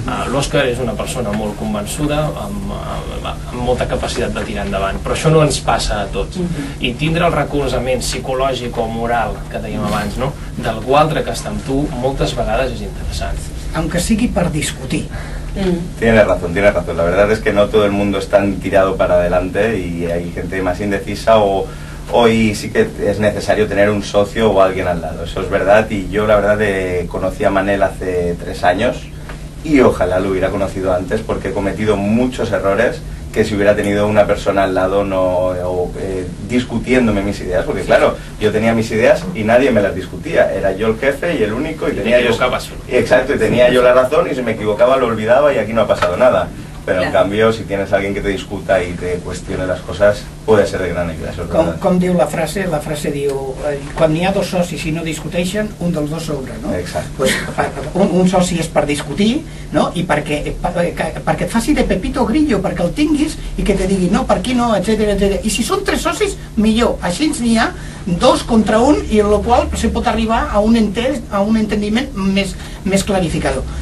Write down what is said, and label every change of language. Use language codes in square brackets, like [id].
[ca] L'Òscar és una persona molt convençuda, amb molta capacitat de tirar endavant, però això no ens passa a tots. I tindre el recolzament psicològic o moral, que dèiem abans, no?, d'algú altre que està amb tu, moltes vegades és interessant. Aunque sigui per discutir. [es] Tiene razón. La verdad es que no todo el mundo está tirado para adelante y hay gente más indecisa, o hoy sí que es necesario tener un socio o alguien al lado. Eso es verdad, y yo la verdad conocí a Manel hace 3 años y ojalá lo hubiera conocido antes, porque he cometido muchos errores que si hubiera tenido una persona al lado discutiéndome mis ideas, porque claro, yo tenía mis ideas y nadie me las discutía, era yo el jefe y el único y tenía yo, exacto, y tenía yo la razón, y si me equivocaba lo olvidaba y aquí no ha pasado nada. Pero en cambio, si tienes alguien que te discuta y te cuestione las cosas, puede ser de gran ayuda. [ca] Com diu la frase? La frase diu, quan n'hi ha dos socis i no discuteixen, un dels dos sobra, no? Exacte. Pues, un soci és per discutir, no? I perquè et faci de Pepito Grillo, perquè el tinguis i que te digui no, per aquí no, etcètera, etcètera. I si són 3 socis, millor. Així n'hi ha 2 contra 1, i en el qual se pot arribar a un entendiment més clarificador.